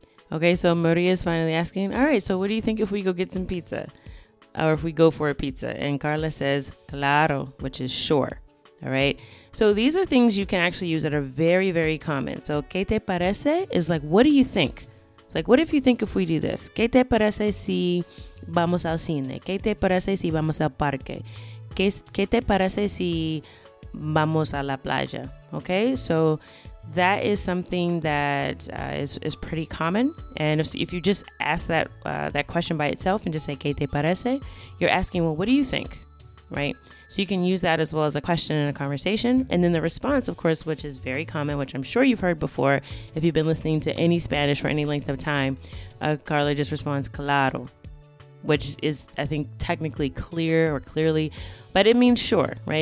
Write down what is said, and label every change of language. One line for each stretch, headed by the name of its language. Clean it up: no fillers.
English: Okay, so Maria is finally asking, all right, so what do you think if we go get some pizza? Or if we go for a pizza? And Carla says, claro, which is sure. All right. So these are things you can actually use that are very, very common. So,
Spanish: ¿qué te parece?
English: Is like, what do you think? It's like, what if you think if we do this?
Spanish: ¿Qué te parece si vamos al cine? ¿Qué te parece si vamos al parque? ¿Qué te parece si vamos a la playa?
English: Okay. So that is something that is pretty common. And if you just ask that that question by itself and just say,
Spanish: ¿qué te parece?
English: You're asking, well, what do you think? Right? So you can use that as well as a question in a conversation. And then the response, of course, which is very common, which I'm sure you've heard before, if you've been listening to any Spanish for any length of time, Carla just responds, claro, which is, I think, technically clear or clearly, but it means sure, right?